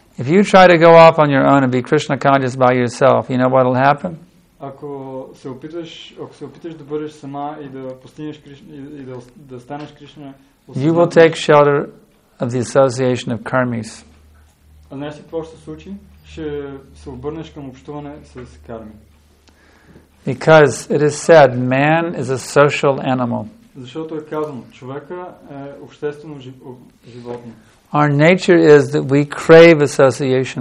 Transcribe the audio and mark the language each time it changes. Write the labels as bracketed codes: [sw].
[en] If you try to go off on your own and be Krishna conscious by yourself, you know what will happen? [bg] Ако се опиташ да бъдеш сама и да постигнеш Кришна и да станеш Кришна, [en] you will take shelter of the association of karmis. [bg] А знаеш ли какво ще се случи? Ще се обърнеш към общуване с карми. [en] Because it is said, man is a social animal. [bg] Защото е казано, човекът е обществено животно. [en] Our nature is that we crave association.